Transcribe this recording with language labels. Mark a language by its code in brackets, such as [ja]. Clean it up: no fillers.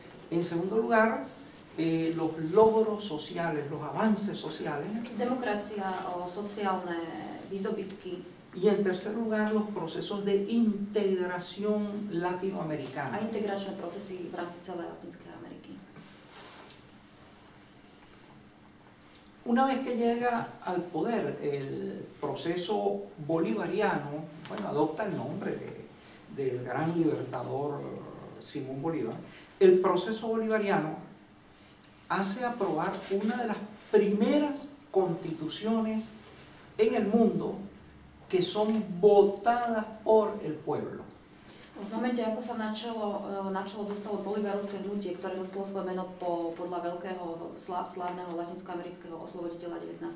[es] En segundo lugar, los logros sociales, los avances sociales. [sk] Demokracia, sociálne výdobytky. [es] Y en tercer lugar, los procesos de integración latinoamericana. [cs] A integrační procesy v rámci celé Latinské Ameriky. [es] Una vez que llega al poder el proceso bolivariano, bueno, adopta el nombre del gran libertador Simón Bolívar, el proceso bolivariano hace aprobar una de las primeras constituciones en el mundo que son votadas por el pueblo. [sk] V momente, ako sa načelo dostalo bolivarovské hnutie, ktoré dostalo svoje meno podľa veľkého slávneho latinskoamerického osloboditeľa 19.